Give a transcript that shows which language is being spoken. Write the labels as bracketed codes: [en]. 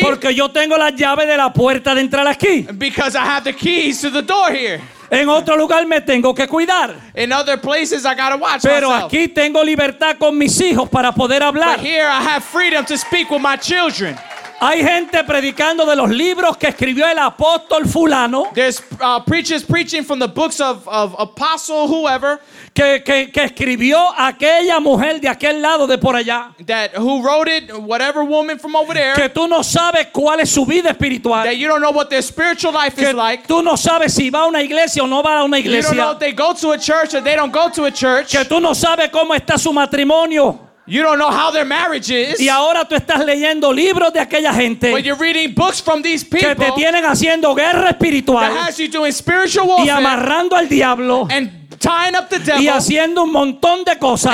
[es] Porque yo tengo la llave de la puerta de entrar aquí. [en] Because I have the keys to the door here. [es] En otro lugar me tengo que cuidar. [en] In other places I gotta watch [es] Pero [en] myself. [es] Aquí tengo libertad con mis hijos para poder hablar. [en] But here I have freedom to speak with my children. [es] Hay gente predicando de los libros que escribió el apóstol fulano. [en] There's preachers preaching from the books of apostle whoever. [es] Que escribió aquella mujer de aquel lado de por allá. [en] That who wrote it, whatever woman from over there. [es] Que tú no sabes cuál es su vida espiritual. [en] That you don't know what their spiritual life [es] que [en] is like. [es] Tú no sabes si va a una iglesia o no va a una iglesia. [en] You don't know if they go to a church or they don't go to a church. [es] Que tú no sabes cómo está su matrimonio. [en] You don't know how their marriage is. [es] Y ahora tú estás leyendo libros de aquella gente. [en] But you're reading books from these people. [es] Que te tienen haciendo guerra espiritual. [en] That has you doing spiritual warfare. [es] Y amarrando al diablo. [en] And tying up the devil. [es] Y haciendo un montón de cosas.